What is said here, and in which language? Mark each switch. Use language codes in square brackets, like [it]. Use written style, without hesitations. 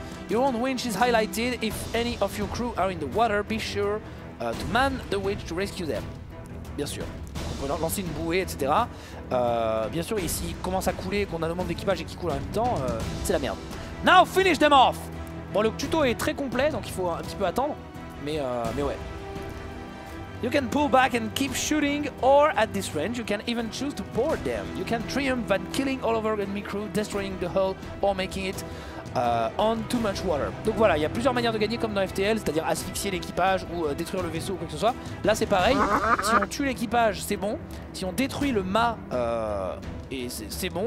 [en] Your own winch is highlighted. If any of your crew are in the water, be sure to man the winch to rescue them. [fr] Bien sûr. On peut lancer une bouée, etc. Bien sûr, et s'ils commencent à couler, qu'on a nos membres d'équipage et qu'ils coulent en même temps, c'est la merde. [en] Now finish them off! [fr] Bon, le tuto est très complet, donc il faut un petit peu attendre. Mais ouais. [en] You can pull back and keep shooting, or at this range, you can even choose to board them. You can triumph by killing all of our enemy crew, destroying the hull, or making it on too much water. [fr] Donc voilà, il y a plusieurs manières de gagner comme dans FTL, c'est-à-dire asphyxier l'équipage ou détruire le vaisseau ou quoi que ce soit. Là c'est pareil, si on tue l'équipage, c'est bon. Si on détruit le mât, et c'est bon.